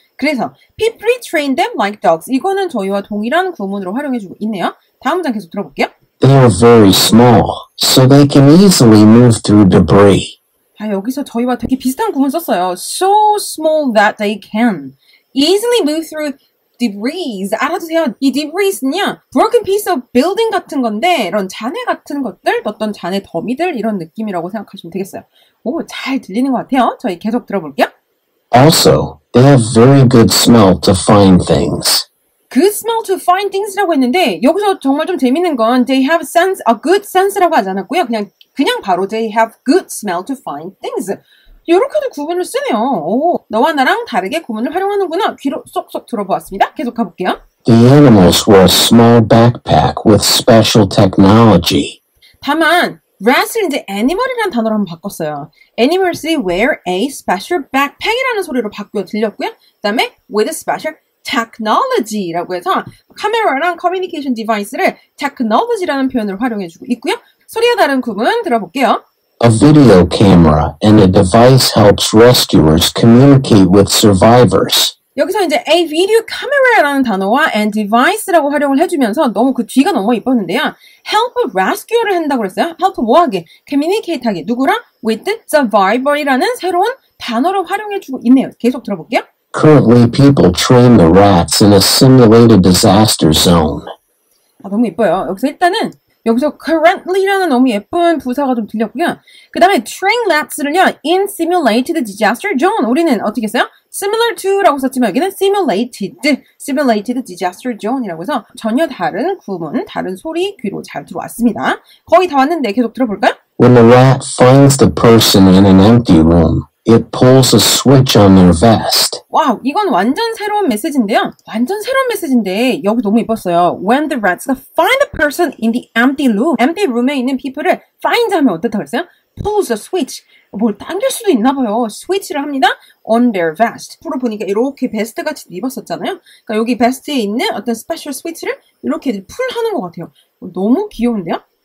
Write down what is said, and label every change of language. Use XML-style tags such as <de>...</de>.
<ko>그래서</ko> <en>people train them like dogs.</en> <ko>이거는 저희와 동일한 구문으로 활용해주고 있네요. 다음 문장 계속 들어볼게요.</ko> <en>They are very small, so they can easily move through debris.</en> <ko>아, 여기서 저희와 되게 비슷한 구문 썼어요.</ko> <en>So small that they can easily move through debris.</en> <ko>알아두세요. 이 debris는요,</ko> <en>broken piece of building</en> <ko>같은 건데, 이런 잔해 같은 것들, 어떤 잔해 더미들, 이런 느낌이라고 생각하시면 되겠어요. 오, 잘 들리는 것 같아요. 저희 계속 들어볼게요.</ko> <en>Also, they have very good smell to find things. Good smell to find things</en> <ko>라고 했는데 여기서 정말 좀 재밌는 건</ko> <en>they have sense, a good sense</en> <ko>라고 하지 않았고요. 그냥 바로</ko> <en>they have good smell to find things.</en> <ko>이렇게도 구분을 쓰네요. 오, 너와 나랑 다르게 구분을 활용하는구나. 귀로 쏙쏙 들어보았습니다. 계속 가볼게요.</ko> <en>The animals wore a small backpack with special technology.</en> <ko>다만 rats을 이제 animal이라는 단어로 한번 바꿨어요.</ko> <en>Animals wear a special backpack</en> <ko>이라는 소리로 바꾸어 들렸고요. 그 다음에</ko> <en>with a special technology</en> <ko>라고 해서 카메라랑 커뮤니케이션 디바이스를 technology라는 표현을 활용해주고 있고요. 소리와 다른 구문 들어볼게요.</ko> <en>A video camera and a device helps rescuers communicate with survivors.</en> <ko>여기서 이제</ko> <en>a video camera</en> <ko>라는 단어와 and device라고 활용을 해주면서 너무 그 뒤가 너무 이뻤는데요. help rescue를 한다고 그랬어요. help 뭐하게? communicate 하게. 누구랑? with survivor이라는 새로운 단어를 활용해주고 있네요. 계속 들어볼게요.</ko> <en>Currently, people train the rats in a simulated disaster zone.</en> <ko>아, 너무 예뻐요. 여기서 일단은 여기서 currently라는 너무 예쁜 부사가 좀 들렸고요. 그 다음에</ko> <en>train rats를요, in simulated disaster zone.</en> <ko>우리는 어떻게 했어요? similar to라고 썼지만 여기는</ko> <en>simulated disaster zone</en> <ko>이라고 해서 전혀 다른 구문, 다른 소리 귀로 잘 들어왔습니다. 거의 다 왔는데 계속 들어볼까요?</ko> <en>When the rat finds the person in an empty room, it pulls a switch on their vest.</en> <ko>와, 이건 완전 새로운 메시지인데요. 완전 새로운 메시지인데 여기 너무 예뻤어요.</ko> <en>When the rats find the person in the empty room.</en> <ko>Empty room에 있는 people을 find 하면 어떻다고 했어요?</ko> <en>Pulls a switch.</en> <ko>뭘 당길 수도 있나 봐요. Switch를 합니다.</ko> <en>On their vest.</en> <ko>앞으로 보니까 이렇게 베스트 같이 입었었잖아요. 그러니까 여기 베스트에 있는 어떤 special switch를 이렇게 풀하는 것 같아요. 너무 귀여운데요?</ko>